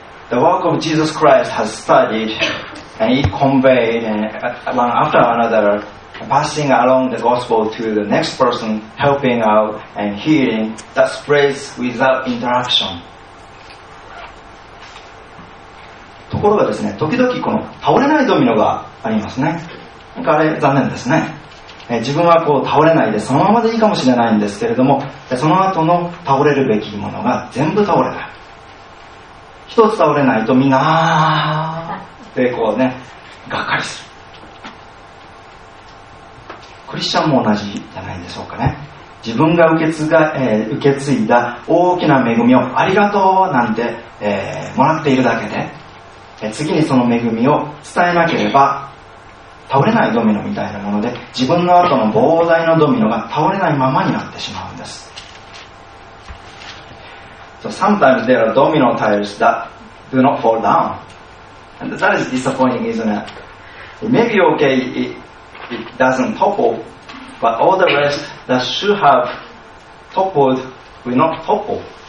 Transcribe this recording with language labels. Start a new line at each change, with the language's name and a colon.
English: The work of Jesus Christ has started, and it conveyed one after another, passing along the gospel to the next person, helping out and healing, that spreads without interruption.
Japanese: ところがですね、時々この倒れないドミノがありますね。なんかあれ残念ですね。自分はこう倒れないでそのままでいいかもしれないんですけれども、その後の倒れるべきものが全部倒れない。一つ倒れないとみんなーってこうねがっかりする。クリスチャンも同じじゃないでしょうかね。自分が受け継いだ大きな恵みをありがとうなんて、もらっているだけで、次にその恵みを伝えなければ倒れないドミノみたいなもので、自分の後の膨大なドミノが倒れないままになってしまうんです。
English: So sometimes there are domino tiles that do not fall down, and that is disappointing, isn't it? Maybe okay, it doesn't topple, but all the rest that should have toppled will not topple.